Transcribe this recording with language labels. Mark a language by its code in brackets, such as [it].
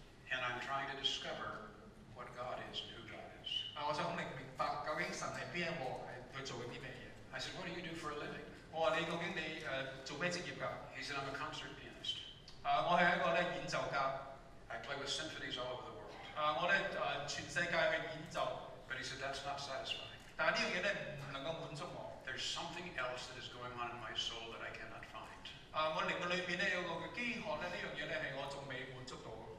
[en] And I'm trying to discover what God is and who God is. [yue] 我想明白究竟神係邊一個，係佢做緊啲咩嘢。 [en] I said, what do you do for a living? [yue] 我話你究竟你做咩職業㗎？ [en] He said, I'm a concert pianist. [yue] 我係一個咧演奏家。 [en] I play with symphonies all over the world. [yue] 我咧全世界去演奏。 [en] But he said, that's not satisfying. [yue] 但係呢樣嘢咧唔能夠滿足我。 [en] There's something else that is going on in my soul that I cannot find. [yue] 我靈裏邊咧有個飢渴咧，呢樣嘢咧係我仲未滿足到。